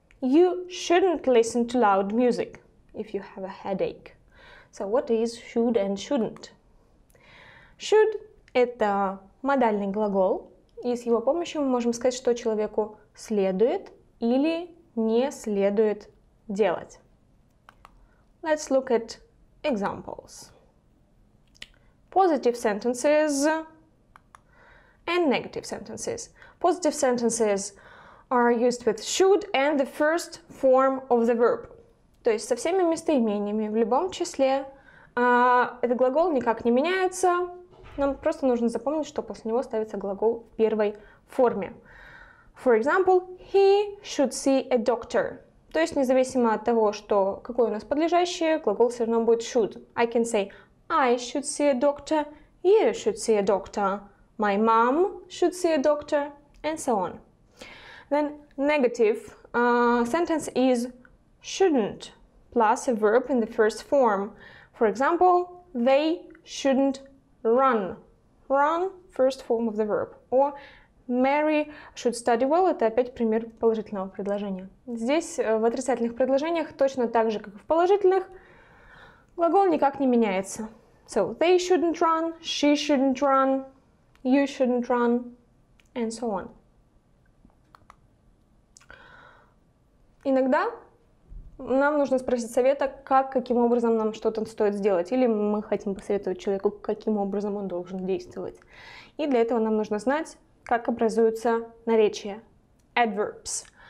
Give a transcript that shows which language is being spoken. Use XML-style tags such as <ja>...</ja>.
<en>You shouldn't listen to loud music if you have a headache. So, what is should and shouldn't?</en> <ru>Should – это модальный глагол, и с его помощью мы можем сказать, что человеку следует или не следует делать.</ru> <en>Let's look at examples. Positive sentences and negative sentences. Positive sentences are used with should and the first form of the verb.</en> <ru>То есть со всеми местоимениями в любом числе. Этот глагол никак не меняется. Нам просто нужно запомнить, что после него ставится глагол в первой форме.</ru> <en>For example, he should see a doctor.</en> <ru>То есть, независимо от того, что какое у нас подлежащее, глагол все равно будет should.</ru> <en>I can say, I should see a doctor, you should see a doctor, my mom should see a doctor, and so on. Then, negative sentence is shouldn't plus a verb in the first form. For example, they shouldn't run. Run – first form of the verb. Or Mary should study well –</en> <ru>это опять пример положительного предложения. Здесь в отрицательных предложениях точно так же, как и в положительных, глагол никак не меняется.</ru> <en>So, they shouldn't run, she shouldn't run, you shouldn't run, and so on.</en> <ru>Иногда нам нужно спросить совета, каким образом нам что-то стоит сделать. Или мы хотим посоветовать человеку, каким образом он должен действовать. И для этого нам нужно знать, как образуются наречия.</ru> <en>Adverbs.</en>